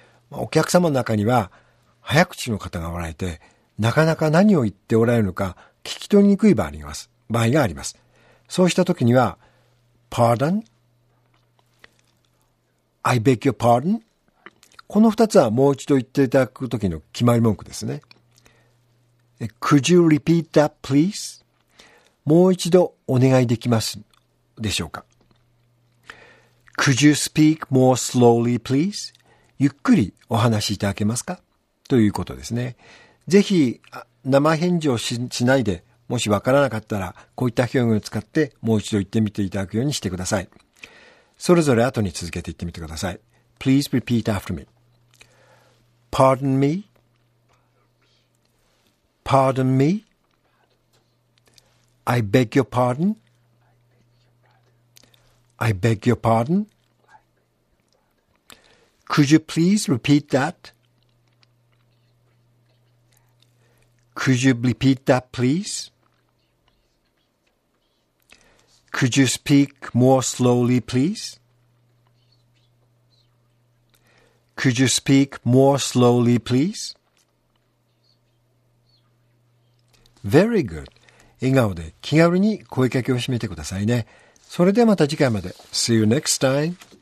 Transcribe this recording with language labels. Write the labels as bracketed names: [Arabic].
[Japanese] お客様の中には、早口の方がおられて、なかなか何を言っておられるのか聞き取りにくい場合があります。そうした時には、 [English] Pardon? I beg your pardon? [Japanese] この二つはもう一度言っていただく時の決まり文句ですね。 [English] Could you repeat that please? [Japanese] もう一度お願いできますでしょうか。 [English] Could you speak more slowly please? [Japanese] ゆっくりお話しいただけますか?ということですね。ぜひ生返事を しないで、もしわからなかったら、こういった表現を使ってもう一度言ってみていただくようにしてください。それぞれ後に続けて言ってみてください。 [English] Please repeat after me. Pardon me. Pardon me. I beg your pardon. I beg your pardon. Could you please repeat that? Could you repeat that, please? Could you speak more slowly, please? Could you speak more slowly, please? Very good. [Japanese] 笑顔で気軽に声かけを締めてくださいね。それではまた次回まで。 [English] See you next time.